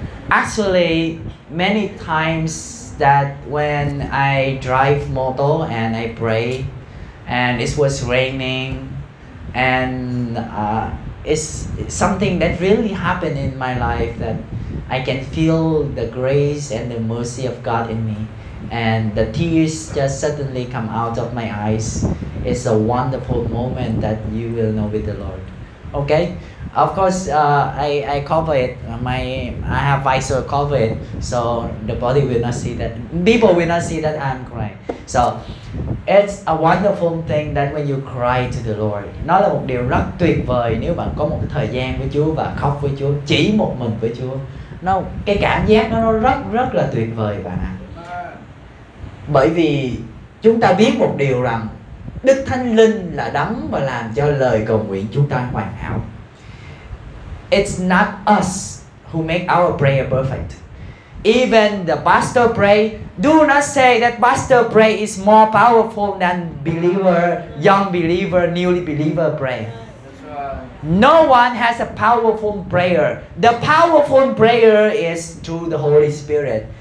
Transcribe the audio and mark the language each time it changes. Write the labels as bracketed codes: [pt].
[en] Actually, many times that when I drive motor and I pray, and it was raining, and it's something that really happened in my life that I can feel the grace and the mercy of God in me, and the tears just suddenly come out of my eyes. It's a wonderful moment that you will know with the Lord. Okay? Of course, I cover it. I have visor cover it, so the body will not see that. People will not see that I'm crying. So it's a wonderful thing that when you cry to the Lord, [vi] nó là một điều rất tuyệt vời nếu bạn có một thời gian với Chúa và khóc với Chúa, chỉ một mình với Chúa. Nó cái cảm giác nó rất rất là tuyệt vời bạn ạ. Bởi vì chúng ta biết một điều rằng Đức Thánh Linh là đấng và làm cho lời cầu nguyện chúng ta hoàn hảo. [en] It's not us who make our prayer perfect. Even the pastor pray, do not say that pastor pray is more powerful than believer, young believer, newly believer pray. No one has a powerful prayer. The powerful prayer is through the Holy Spirit.